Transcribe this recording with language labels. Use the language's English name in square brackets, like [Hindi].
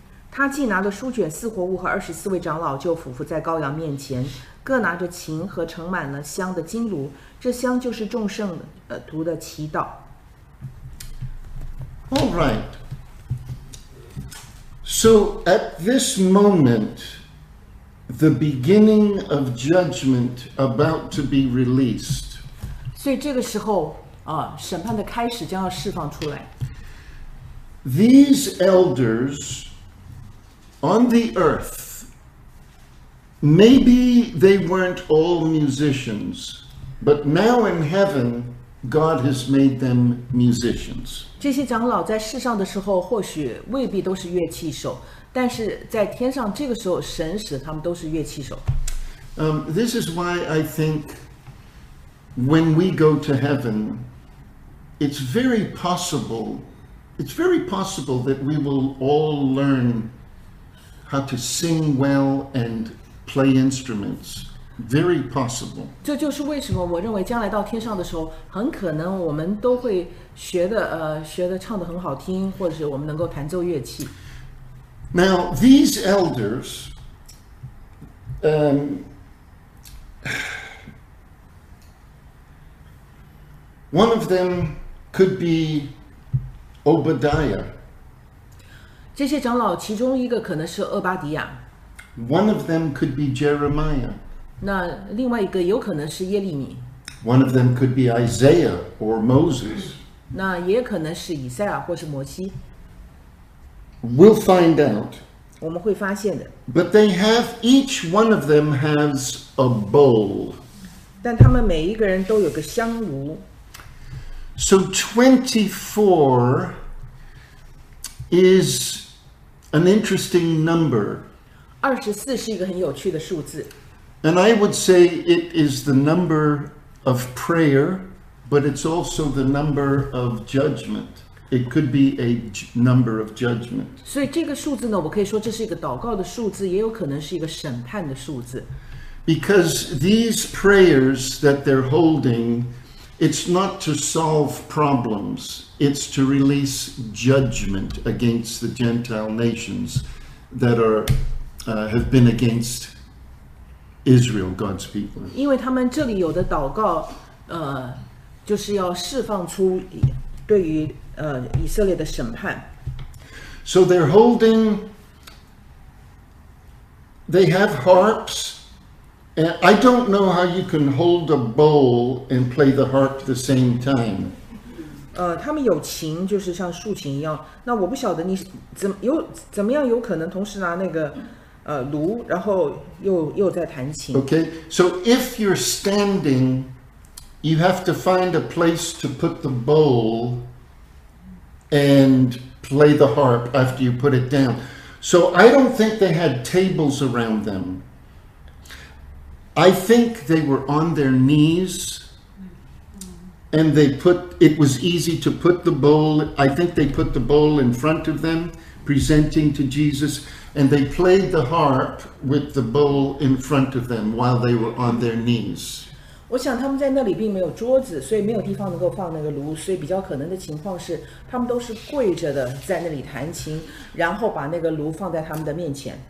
[Chinese] 他既拿了书卷，四活物和24位长老就俯伏在羔羊面前，各拿着琴和盛满了香的金炉，这香就是众圣徒的祈祷。 [English] All right. So at this moment, the beginning of judgment about to be released. [Chinese] 所以这个时候，审判的开始将要释放出来。 [English] These elders on the earth, maybe they weren't all musicians, but now in heaven, God has made them musicians. [Chinese] 这些长老在世上的时候或许未必都是乐器手，但是在天上这个时候神使他们都是乐器手。 [English] This is why I think when we go to heaven, it's very possible that we will all learn how to sing well and play instruments. Very possible. [Chinese] 这就是为什么我认为将来到天上的时候，很可能我们都会学的唱得很好听，或者是我们能够弹奏乐器。 [English] Now, these elders, one of them could be Obadiah. [Chinese] 这些长老其中一个可能是厄巴迪亚。 [English] One of them could be Jeremiah. [Chinese] 那另外一个有可能是耶利米。 [English] One of them could be Isaiah or Moses. [Chinese] 那也可能是以赛亚或是摩西。 [English] We'll find out. [Chinese] 我们会发现的。 [English] But they have, each one of them has a bowl. [Chinese] 但他们每一个人都有个香炉。 [English] So 24 is an interesting number. [Chinese] 24是一个很有趣的数字。 [English] And I would say it is the number of prayer, but it's also the number of judgment. It could be a number of judgment. [Chinese] 所以这个数字呢，我可以说这是一个祷告的数字，也有可能是一个审判的数字。 [English] Because these prayers that they're holding, it's not to solve problems, it's to release judgment against the Gentile nations that are have been against Israel, God's people. [Chinese] 因为他们这里有的祷告，就是要释放出对于以色列的审判。 [English] So they're holding, they have harps. And I don't know how you can hold a bowl and play the harp at the same time. [Chinese] 他们有琴，就是像竖琴一样。那我不晓得你怎么样有可能同时拿那个炉，然后又在弹琴。 [English] Okay, so if you're standing, you have to find a place to put the bowl and play the harp after you put it down. So I don't think they had tables around them. I think they were on their knees, and it was easy to put the bowl. I think they put the bowl in front of them, presenting to Jesus. And they played the harp with the bowl in front of them while they were on their knees. [Chinese] 我想他们在那里并没有桌子，所以没有地方能够放那个炉，所以比较可能的情况是他们都是跪着的在那里弹琴，然后把那个炉放在他们的面前。